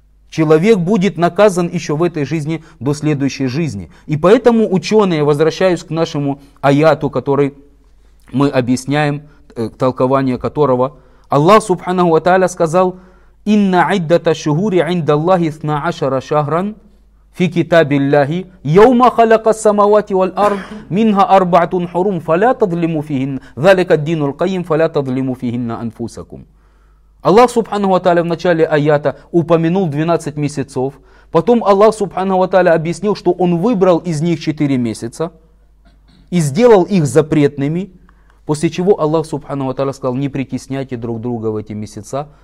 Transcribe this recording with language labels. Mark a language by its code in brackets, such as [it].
[ru] Человек будет наказан еще в этой жизни до следующей жизни. И поэтому ученые, возвращаясь к нашему аяту, который мы объясняем, толкование которого, Аллах Субханаху Ва Тааля сказал [ar] «Инна иддата шугури инда Аллахи сна ашара шахран». في كتاب الله يوم خلق السماوات والأرض منها أربعة حرم فلا تظلموا فيهن ذلك الدين القيم فلا تظلموا فيهن أنفسكم. [ru] Аллах Субханаху Ва Тааля в начале аята упомянул 12 месяцев, потом Аллах Субханаху Ва Тааля объяснил, что Он выбрал из них 4 месяца и сделал их запретными, после чего Аллах Субханаху Ва Тааля сказал, не притесняйте друг друга в эти месяца.